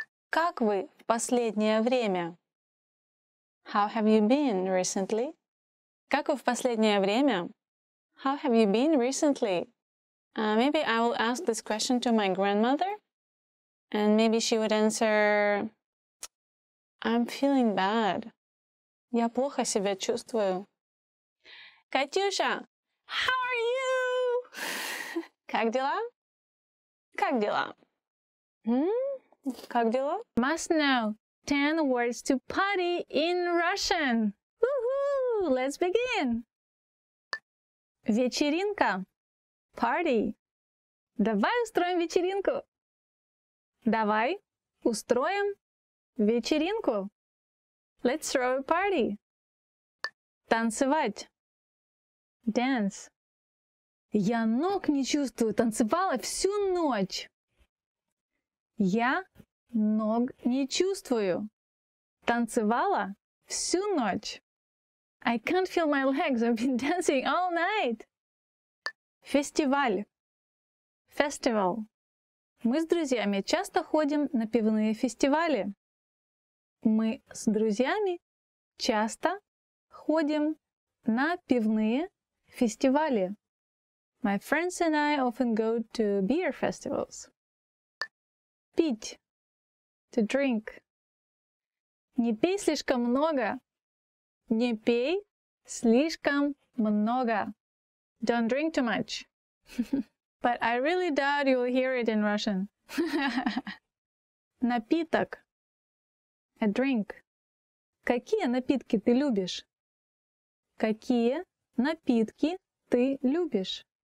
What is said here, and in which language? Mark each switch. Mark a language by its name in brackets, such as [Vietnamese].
[Russian] Как вы в последнее время? [English] How have you been recently? [Russian] Как вы в последнее время? [English] How have you been recently? Maybe I will ask this question to my grandmother. And maybe she would answer, I'm feeling bad. [Russian] Я плохо себя чувствую. Катюша, [English] how are you? [Russian] Как дела? Как дела? Как дела? [English] Must know 10 words to potty in Russian. Woohoo! Let's begin. [Russian] Вечеринка. [English] Party. [Russian] Давай устроим вечеринку. Давай устроим вечеринку. [English] Let's throw a party. [Russian] Танцевать. [English] Dance. [Russian] Я ног не чувствую, танцевала всю ночь. Я ног не чувствую, танцевала всю ночь. [English] I can't feel my legs, I've been dancing all night. [Russian] Фестиваль. [English] Festival. [Russian] Мы с друзьями часто ходим на пивные фестивали. Мы с друзьями часто ходим на пивные фестивали. [English] My friends and I often go to beer festivals. [Russian] Пить. [English] To drink. [Russian] Не пей слишком много. Не пей слишком много. [English] Don't drink too much. But I really doubt you'll hear it in Russian. [Russian] Напиток. [English] A drink. [Russian] Какие напитки ты любишь? Какие напитки ты любишь?